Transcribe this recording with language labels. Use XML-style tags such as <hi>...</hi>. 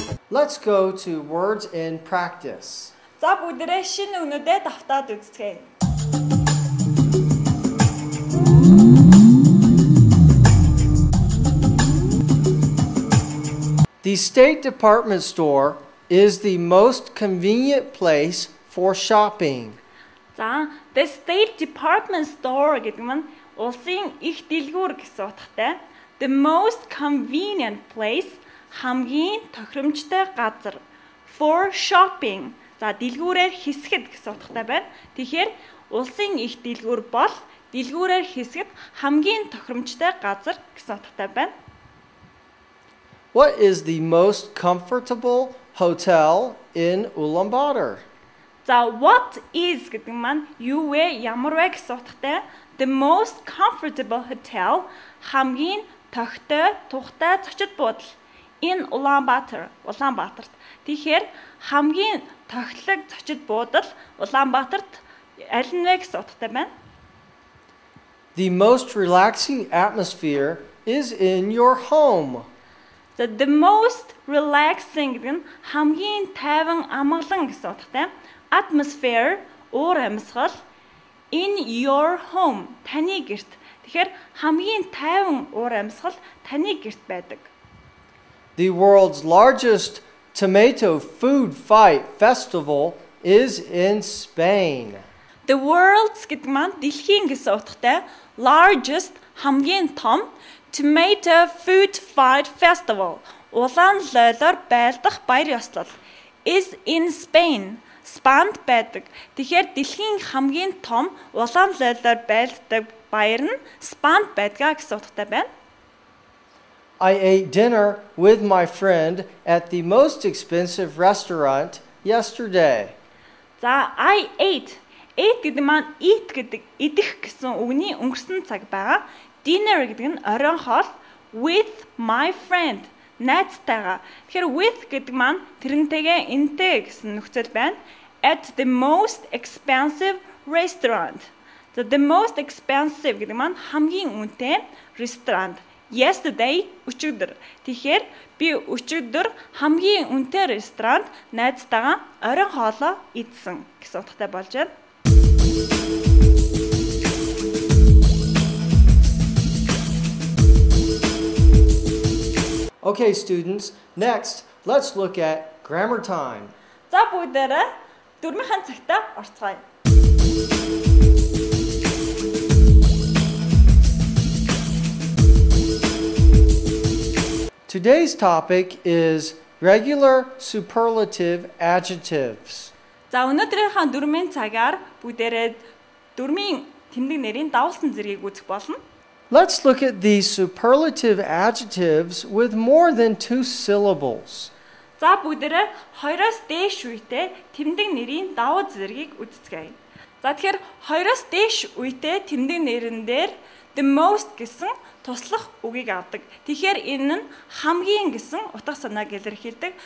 <en>Let's go to words in practice.</en> <mn>За, бүгдээрээ шинэ үгнүүдээ давтаад үзцгээе.</mn> <en>The State Department store is the most convenient place for shopping.</en> <mn>За, the state department store гэдэг нь улсын их дэлгүүр гэсэн утгатай.</mn> <en>The most convenient place,</en> <mn>хамгийн тохиромжтой газар.</mn> <en>For shopping.</en> <mn>За, дэлгүүрээр хэсэхэд гэсэн утгатай байна. Тэгэхээр улсын их дэлгүүр бол дэлгүүрээр хэсэхэд хамгийн тохиромжтой газар гэсэн утгатай байна.</mn> <en>What is the most comfortable hotel in Ulaanbaatar? So what is</en> <mn>гэдэг маань юу вэ ямар вэ гэсэн утгатай?</mn> <en>The most comfortable hotel</en> <mn>хамгийн тогтой тухтай зочид буудал</mn> <en>in Ulaanbaatar,</en> <mn>Улаанбаатарт. Тэгэхээр хамгийн тогтлог зочид буудал Улаанбаатарт аль нь вэ гэсэн утгатай байна?</mn> <en>The most relaxing atmosphere is in your home. So the most relaxing</en> <mn>гэдэг нь хамгийн тайван амгалан гэсэн утгатай.</mn> <en>Atmosphere</en> <mn>уур амьсгал</mn> <en>in your home</en> <mn>таны гэрт. Тэгэхээр хамгийн тайван уур амьсгал таны гэрт байдаг.</mn> <en>The world's largest tomato food fight festival is in Spain. The world's</en> <mn>гэдэг маань дэлхийн гэсэн утгатай</mn> <en>largest</en> <mn>хамгийн том</mn> <en>tomato food fight festival</en> <mn>улаан лойлоор байлдах баяр ёслол</mn> <en>is in Spain.</en> <mn>Spanned байдаг. Тэгэхээр дэлхийн хамгийн том улаан лойлоор байлддаг баяр нь Spanned байдгаа гэсэн утгатай байна.</mn> <en>I ate dinner with my friend at the most expensive restaurant yesterday. За, I ate.</en> <mn>Ate гэдэг маань eat гэдэг идэх гэсэн үгний өнгөрсөн цаг байгаа.</mn> <en>Dinner</en> <mn>гэдэг нь оройн хоол</mn> <en>with my friend.</en> <mn>Найзтайгаа. Тэгэхээр with гэдэг маань тэрнтэйгээ энтэй гэсэн нөхцөл байна.</mn> <en>At the most expensive restaurant. So the most expensive</en> <mn>гэдэг маань хамгийн үнэтэй</mn> <en>restaurant. Yesterday</en> <mn>өчигдөр. Тэгэхээр би өчигдөр хамгийн үнэтэй restaurant найзтайгаа оройн хоолоо идсэн гэсэн утгатай болж байна.</mn> <en>Okay, students, next, let's look at grammar time.</en> <mn>За бүгдээрээ дөрмийнхэн цагтаа орцгоё.</mn> <en>Today's topic is regular superlative adjectives.</en> <mn>За өнөөдрийнхэн дөрмийн цагаар бүгдээрээ дөрмийн тэмдэг нэрийн давалсан зэргийг үзэх болно.</mn> <en>Let's look at these superlative adjectives with more than two syllables.</en> <mn>За бүгдээрээ хоёроос дээш үетэй тэмдэг нэрийн давуу зэргийг үздэгэй. За тэгэхээр хоёроос дээш үетэй тэмдэг нэрнээр the most гэсэн туслах үгийг авдаг. Тэгэхээр энэ нь хамгийн гэсэн утга санааг илэрхийлдэг.</mn>